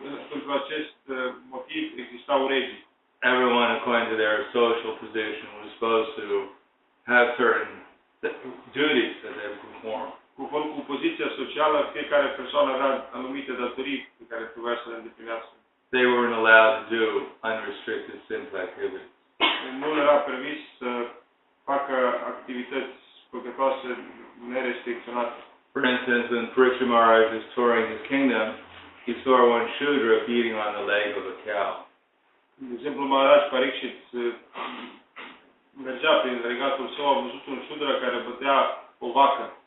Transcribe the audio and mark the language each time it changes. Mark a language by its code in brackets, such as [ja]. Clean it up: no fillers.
[ro] Pentru acest motiv, existau regii. [en] Everyone, according to their social position, was supposed to have certain duties that they performed. [ro] Conform cu poziția socială, fiecare persoană avea anumite datorii pe care trebuia să le îndeplinească. [en] They weren't allowed to do unrestricted sinful activities. [ro] Nu era permis să facă activități păcătoase nerestricționate. [en] For instance, when Parikshit Maharaj was touring his kingdom, he saw one shudra feeding on the leg of a cow. [ro] De exemplu, Maharaj Parikshit mergea prin regatul său, a văzut un shudra care bătea o vacă.